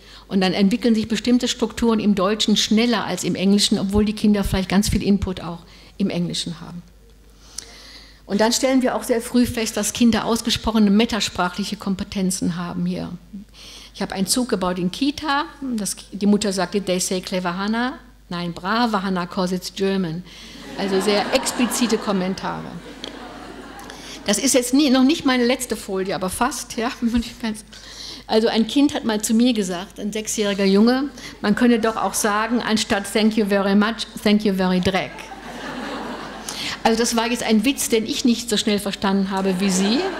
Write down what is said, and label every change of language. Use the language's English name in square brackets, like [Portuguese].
[German] Und dann entwickeln sich bestimmte Strukturen im Deutschen schneller als im Englischen, obwohl die Kinder vielleicht ganz viel Input auch im Englischen haben. Und dann stellen wir auch sehr früh fest, dass Kinder ausgesprochene metasprachliche Kompetenzen haben hier. Ich habe einen Zug gebaut in Kita, die Mutter sagte, [English] they say clever Hannah. [German] Nein, [English] brave Hannah, cause it's German. [German] Also sehr explizite Kommentare. Das ist jetzt noch nicht meine letzte Folie, aber fast, ja. Also ein Kind hat mal zu mir gesagt, ein 6-jähriger Junge, man könne doch auch sagen, anstatt [English] thank you very much, thank you very dreck. [German] Also das war jetzt ein Witz, den ich nicht so schnell verstanden habe wie Sie.